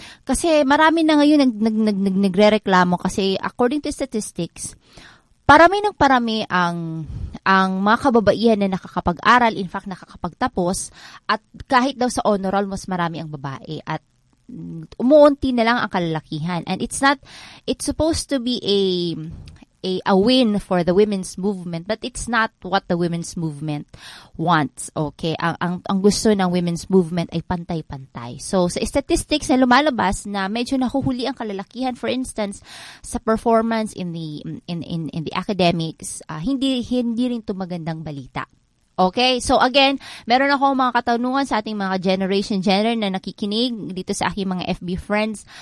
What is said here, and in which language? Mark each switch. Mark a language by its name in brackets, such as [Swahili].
[Filipino] Kasi marami na ngayon nagre-reklamo kasi according to statistics, parami ng parami ang mga kababaihan na nakakapag-aral, [English] in fact [Filipino] nakakapagtapos, at kahit daw sa honor roll mas marami ang babae at umuunti na lang ang kalalakihan. [English] And it's supposed to be a win for the women's movement, but it's not what the women's movement wants. [Filipino] Okay, ang gusto ng women's movement ay pantay-pantay. So sa statistics na lumalabas na medyo nahuhuli ang kalalakihan, [English] for instance [Filipino] sa performance in the academics, hindi rin 'to magandang balita. Okay, so again, meron ako mga katanungan sa ating mga generation gender na nakikinig dito sa aking mga FB friends.